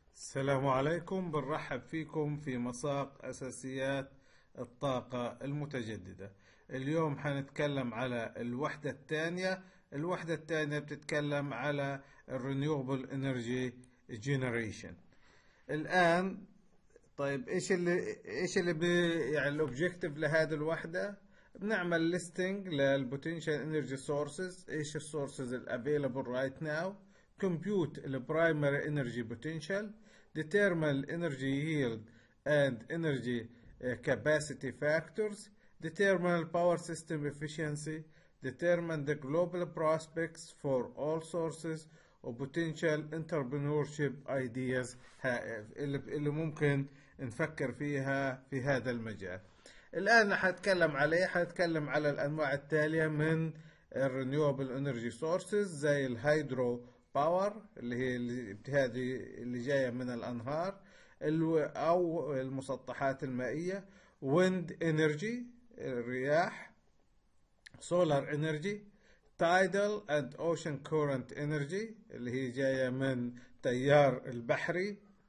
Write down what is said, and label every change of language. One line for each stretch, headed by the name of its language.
Arabic: السلام عليكم، بنرحب فيكم في مساق أساسيات الطاقة المتجددة. اليوم حنتكلم على الوحدة الثانية. الوحدة الثانية بتتكلم على الـ Renewable Energy Generation. الآن طيب، ايش اللي يعني الاوبجيكتيف لهذه الوحدة؟
English: بنعمل ليستنج للبوتنشال energy sources, ايش السورسز الافيلبل right now, compute the primary energy potential, determine energy yield and energy capacity factors, determine power system efficiency, determine the global prospects for all sources or potential entrepreneurship ideas
Arabic: اللي ممكن نفكر فيها في هذا المجال. الآن حتكلم على الأنواع التالية من renewable energy sources زي الهيدرو باور اللي جايه من الانهار او المسطحات المائيه، ويند انرجي الرياح، سولار انرجي، تايدل اند اوشن كورنت انرجي اللي هي جايه من التيار البحري،